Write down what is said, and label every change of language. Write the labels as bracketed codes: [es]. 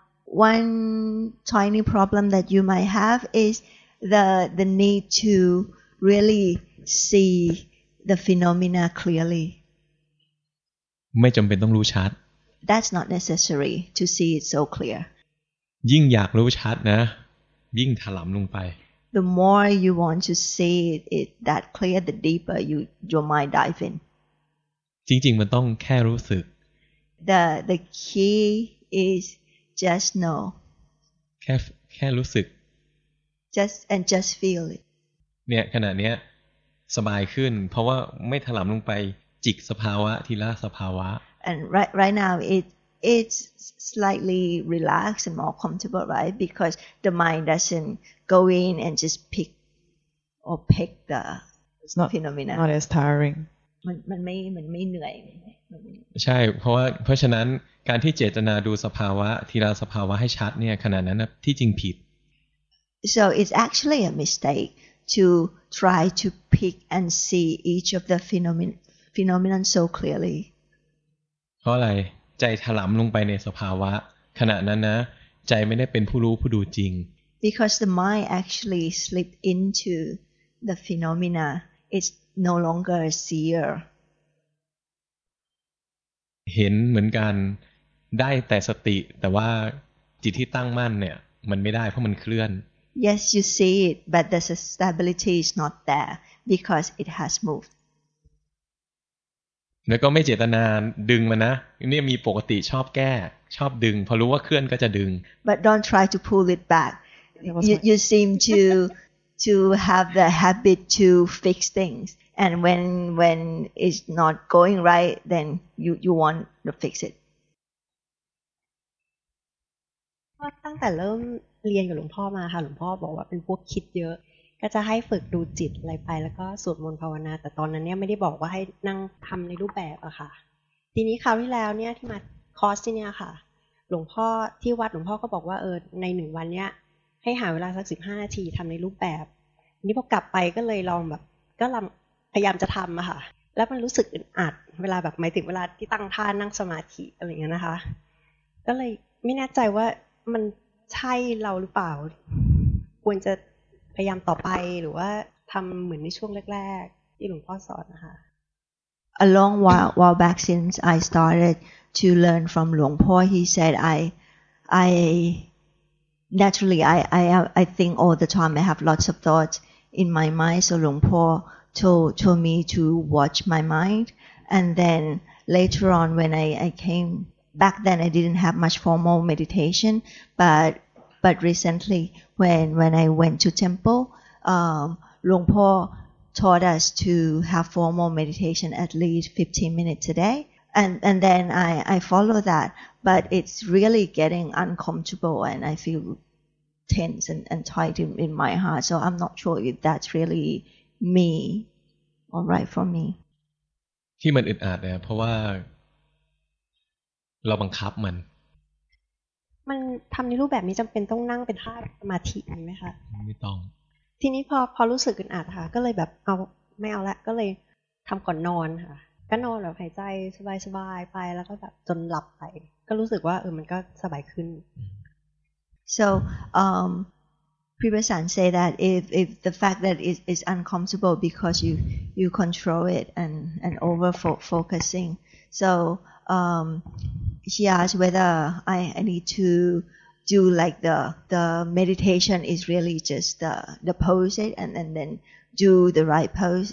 [en] One tiny problem that you might have is the need to really see the phenomena clearly. [th] ไม่จำเป็นต้องรู้ชัด [en] That's not necessary to see it so clear. [th] ยิ่งอยากรู้ชัดนะยิ่งถลำลงไป [en] The more you want to see it that clear the deeper your mind dive in [th] จริงๆมันต้องแค่รู้สึก [en] The key is just know [th] แค่รู้สึก [en] just feel it [th] เนี่ยขณะเนี้ยสบายขึ้นเพราะว่าไม่ถลำลงไปจิกสภาวะทีละสภาวะ [en] And right now it's slightly relaxed and more comfortable, right? Because the mind doesn't go in and just pick the it's not phenomena. Not as tiring. [th] มันไม่เหนื่อย ใช่เพราะฉะนั้นการที่เจตนาดูสภาวะทีละสภาวะให้ชัดเนี่ยขณะนั้นที่จริงผิด [en] So it's actually a mistake to try to pick and see each of the phenomena so clearly. [th] เพราะอะไรใจถลำลงไปในสภาวะขณะนั้นนะใจไม่ได้เป็นผู้รู้ผู้ดูจริง [en] because the mind actually slipped into the phenomena it's no longer a seer [th] เห็นเหมือนกันได้แต่สติแต่ว่าจิตที่ตั้งมั่นเนี่ยมันไม่ได้เพราะมันเคลื่อน [en] yes you see it but the stability is not there because it has moved [th] แล้วก็ไม่เจตนาดึงมันนะเนี่ยมีปกติชอบแก้ชอบดึงพอรู้ว่าเคลื่อนก็จะดึง [en] But don't try to pull it back you seem to have the habit to fix things and when it's not going right then you want to fix it [th] ตั้งแต่เริ่มเรียนกับหลวงพ่อมาค่ะหลวงพ่อบอกว่าเป็นพวกคิดเยอะก็จะให้ฝึกดูจิตอะไรไปแล้วก็สวดมนต์ภาวนาแต่ตอนนั้นเนี่ยไม่ได้บอกว่าให้นั่งทำในรูปแบบอะค่ะทีนี้คราวที่แล้วเนี่ยที่มาคอร์สที่เนี่ยค่ะหลวงพ่อที่วัดหลวงพ่อก็บอกว่าในหนึ่งวันเนี่ยให้หาเวลาสัก15นาทีทำในรูปแบบนี่พอกลับไปก็เลยลองแบบก็ พยายามจะทำอะค่ะแล้วมันรู้สึกอึดอัดเวลาแบบหมายถึงเวลาที่ตั้งท่านั่งสมาธิอะไรเงี้ยนะคะก็เลยไม่แน่ใจว่ามันใช่เราหรือเปล่าควรจะพยายามต่อไปหรือว่าทำเหมือนในช่วงแรกๆที่หลวงพ่อสอนนะคะ [en] A long while back since I started to learn from Long Po he said I think all the time I have lots of thoughts in my mind so Long Po told me to watch my mind and then later on when I came back then I didn't have much formal meditation but recently when I went to temple Long Po taught us to have formal meditation at least 15 minutes a day and then I follow that but it's really getting uncomfortable and I feel tense and tight in my heart so I'm not sure if that's really me or right for me [th] ที่มันอึดอัดเนี่ยเพราะว่าเราบังคับมัน มันทำในรูปแบบนี้จำเป็นต้องนั่งเป็นท่าสมาธิมั้ยคะ ไม่ต้อง ทีนี้พอรู้สึกอึดอัดค่ะก็เลยแบบเอาไม่เอาละก็เลยทำก่อนนอนค่ะก็นอนแบบหายใจสบายๆไปแล้วก็แบบจนหลับไปก็รู้สึกว่ามันก็สบายขึ้น [en] So, Pribhasan say that if the fact that it is uncomfortable because you control it and over focusing. So, she asked whether I need to do like the meditation is really just the pose it and then do the right pose.